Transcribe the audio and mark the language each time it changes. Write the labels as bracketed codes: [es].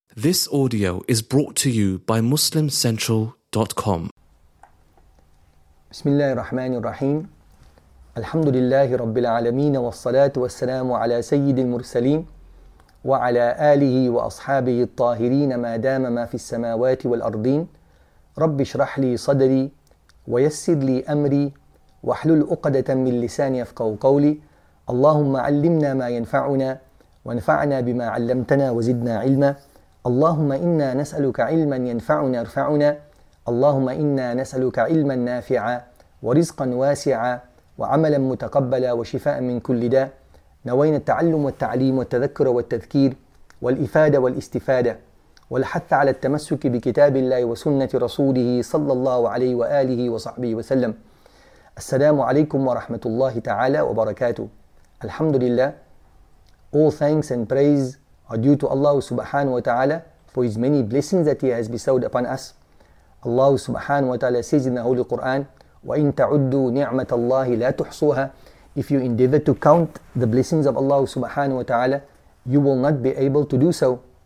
[en] This audio is brought to you by MuslimCentral.com. [ar] بسم الله الرحمن الرحيم. الحمد لله رب العالمين والصلاة والسلام على سيد المرسلين وعلى آله وأصحابه الطاهرين ما دام ما في السماوات والأرضين. رب اشرح لي صدري ويسر لي أمري واحلل عقدة من لساني يفقهوا قولي. اللهم علمنا ما ينفعنا وانفعنا بما علمتنا وزدنا علما. اللهم إنا نسألك علما ينفعنا ارفعنا. اللهم إنا نسألك علما نافعا ورزقا واسعا وعملا متقبلا وشفاء من كل داء. نوينا التعلم والتعليم والتذكر والتذكير والإفادة والاستفادة والحث على التمسك بكتاب الله وسنة رسوله صلى الله عليه وآله وصحبه وسلم. السلام عليكم ورحمة الله تعالى وبركاته. الحمد لله. [en] All thanks and praise are due to Allah subhanahu wa ta'ala for His many blessings that He has bestowed upon us. Allah subhanahu wa ta'ala says in the Holy Quran, [ar] وَإِن تَعُدُّوا نِعْمَةَ اللَّهِ لَا تُحْصُوهَا. [en] If you endeavor to count the blessings of Allah subhanahu wa ta'ala, you will not be able to do so.